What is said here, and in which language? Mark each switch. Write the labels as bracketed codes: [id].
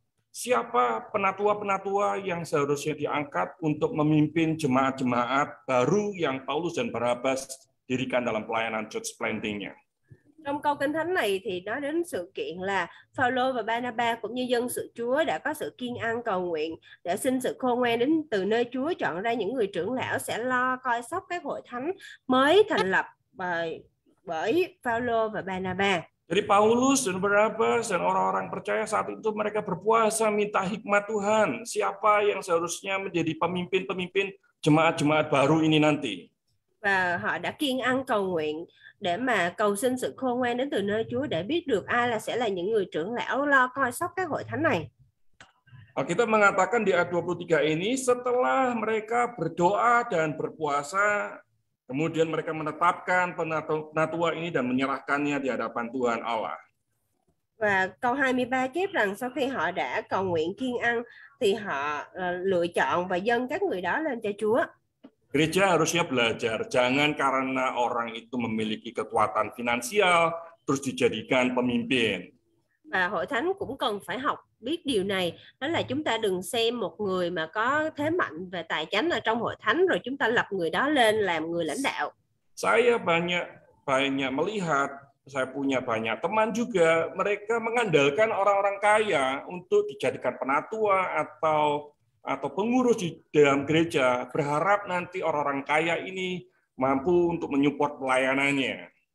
[id] Siapa penatua-penatua yang seharusnya diangkat untuk memimpin jemaat-jemaat baru yang Paulus dan Barnabas dirikan dalam pelayanan [en] church planting- [id] nya? [vi] Trong câu kinh thánh này thì nói đến sự kiện là Phaolô và Barnabas cũng như dân sự Chúa đã có sự kiêng ăn cầu nguyện để xin sự khôn ngoan đến từ nơi Chúa, chọn ra những người trưởng lão sẽ lo coi sóc các hội thánh mới thành lập bởi Phaolô và Barnabas. [id] Jadi Paulus dan Barnabas dan orang-orang percaya saat itu mereka berpuasa minta hikmat Tuhan, siapa yang seharusnya menjadi pemimpin-pemimpin jemaat-jemaat baru ini nanti. [vi] Và họ đã kiêng ăn cầu nguyện để mà cầu xin sự khôn ngoan đến từ nơi Chúa để biết được ai là sẽ là những người trưởng lão lo coi sóc các hội thánh này. [id] Kita mengatakan di ayat 23 ini setelah mereka berdoa dan berpuasa, kemudian mereka menetapkan penatua ini dan menyerahkannya di hadapan Tuhan Allah. [vi] Và câu 23 chép rằng sau khi họ đã cầu nguyện kiêng ăn thì họ lựa chọn và dâng các người đó lên cho Chúa. [id] Gereja harusnya belajar, jangan karena orang itu memiliki kekuatan finansial terus dijadikan pemimpin. [vi] Và hội thánh cũng cần phải học biết điều này, đó là chúng ta đừng xem một người mà có thế mạnh về tài chính ở trong hội thánh rồi chúng ta lập người đó lên làm người lãnh đạo. [id] Saya banyak banyak melihat, saya punya banyak teman juga, mereka mengandalkan orang-orang kaya untuk dijadikan penatua atau pengurus di dalam gereja, berharap nanti orang-orang kaya ini mampu untuk menyupport pelayanannya.